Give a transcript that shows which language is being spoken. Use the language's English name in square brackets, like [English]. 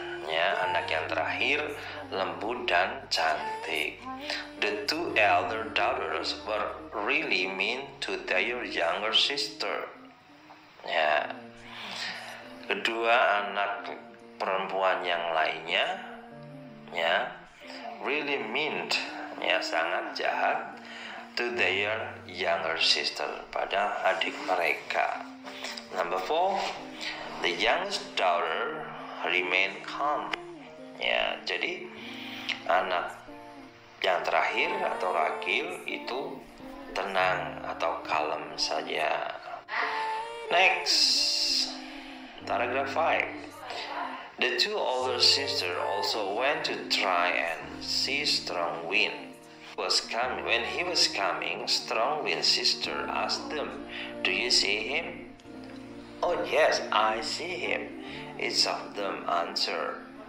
[Indonesian] Ya, anak yang terakhir lembut dan cantik. [English] The 2 elder daughters were really mean to their younger sister. [Indonesian] Ya. Kedua anak perempuan yang lainnya, ya, [English] really mean, [Indonesian] ya, sangat jahat [English] to their younger sister, [Indonesian] pada adik mereka. [English] Number 4, the youngest daughter remained calm. [Indonesian] Ya, jadi anak yang terakhir atau ragil itu tenang atau kalem saja. [English] Next, paragraph 5. The 2 older sisters also went to try and see strong wind. When he was coming, strong wind sister asked them, "Do you see him?" "Oh yes, I see him," each of them answered.